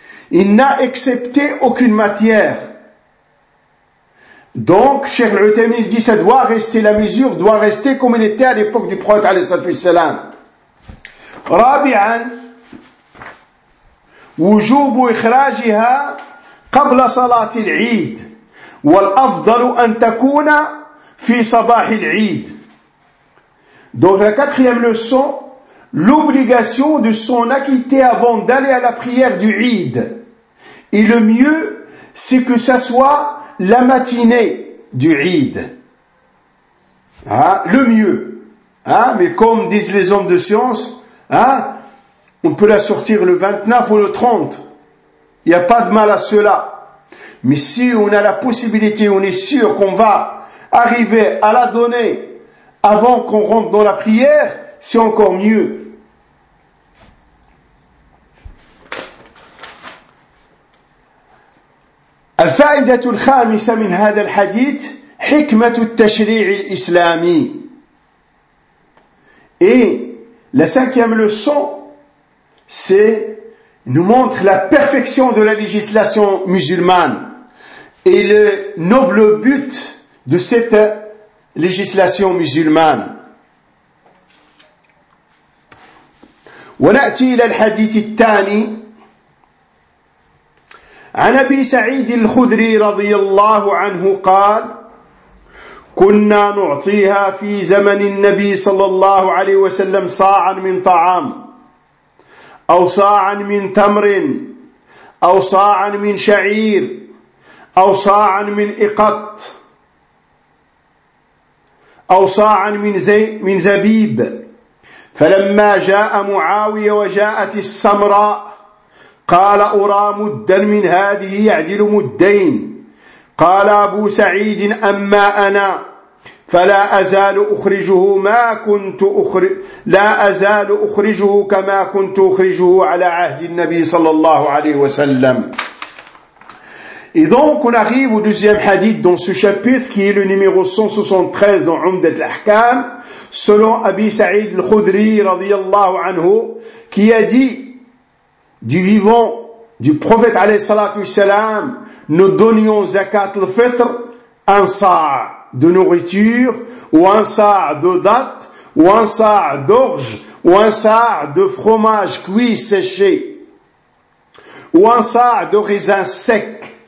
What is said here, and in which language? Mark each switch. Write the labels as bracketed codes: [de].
[fr] Il n'a accepté aucune matière. Donc, Cheikh Al-Utaymi dit, ça doit rester, la mesure doit rester comme elle était à l'époque du prophète, alayhi salam. [ar] Rabi'an, wujubu ikhrajiha قبل صلاة العيد والأفضل أن تكون في صباح العيد. [fr] Donc la quatrième leçon, l'obligation de s'en acquitter avant d'aller à la prière du Eid. Et le mieux, c'est que ça soit la matinée du Eid. Hein? Le mieux. Hein? Mais comme disent les hommes de science, hein? On peut la sortir le 29 ou le 30. Il n'y a pas de mal à cela. Mais si on a la possibilité, on est sûr qu'on va arriver à la donner avant qu'on rentre dans la prière, c'est encore mieux. [ar] الفائدة الخامسة من هذا الحديث حكمة التشريع الإسلامي. [fr] Et la cinquième leçon, c'est nous montre la perfection de la législation musulmane. Et le noble but de cette législation musulmane. [ar] ونأتي إلى الحديث الثاني عن أبي سعيد الخدري رضي الله عنه قال كنا نعطيها في زمن النبي صلى الله عليه وسلم صاعا من طعام أو صاعا من تمر أو صاعا من شعير أو صاعا من إقط أو صاعا من زبيب فلما جاء معاوية وجاءت السمراء قال أرى مدا من هذه يعدل مدين قال أبو سعيد أما أنا فلا أزال أخرجه ما كنت لا أزال أخرجه كما كنت أخرجه على عهد النبي صلى الله عليه وسلم. [fr] Et donc, on arrive au deuxième hadith dans ce chapitre, qui est le numéro 173 dans Umdat al-Ahkam, selon Abi Sa'id al-Khudri, radiyallahu anhu, qui a dit, du vivant du prophète, alayhi salatu wassalam, nous donnions zakat al-fitr, un sa' de nourriture, ou un sa' de date, ou un sa' d'orge, ou un sa' de fromage cuit séché, ou un sa' de raisin sec.